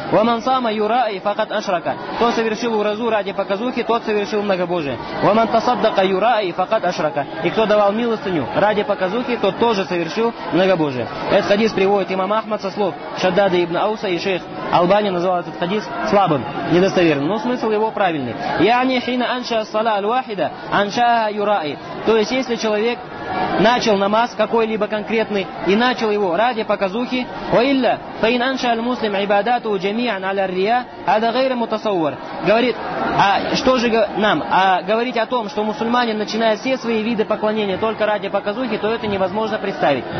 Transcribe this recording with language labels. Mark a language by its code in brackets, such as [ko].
[ar] Ва мансама Юраи, факат ашрака, [ru] кто совершил уразу ради показухи, тот совершил многобожие. [ar] Ва мантасаддака Юраи, факат ашрака, [ru] и кто давал милостыню ради показухи, тот тоже совершил многобожие. Этот хадис приводит имам Ахмад со слов Шаддада ибн Ауса, и шейх Албани называл этот хадис слабым, недостоверным, но смысл его правильный. [ar] يعني حين أنشأ الصلاة الواحدة أنشأها يرائي. [ru] То есть если человек начал намаз какой-либо конкретный и начал его ради показухи, [ar] وإلا فإن أنشأ المسلم عباداته جميعا على الرياء هذا غير متصور. [ru] Говорит, а что же нам? А говорить о том, что мусульманин начинает все свои виды поклонения только ради показухи, то это невозможно представить.